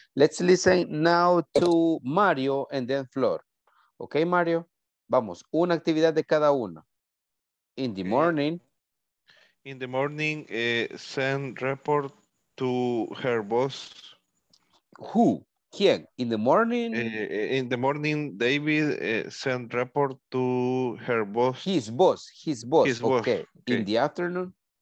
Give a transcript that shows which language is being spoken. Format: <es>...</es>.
<en>Let's listen now to Mario and then Flor.</en> <es>Okay, Mario, vamos, una actividad de cada uno.</es> <en>In the morning. In the morning, send report to her boss. Who?</en> <es>¿Quién?</es> <en>In the morning? In the morning, David sent report to her boss. His boss. Okay. In the afternoon?</en>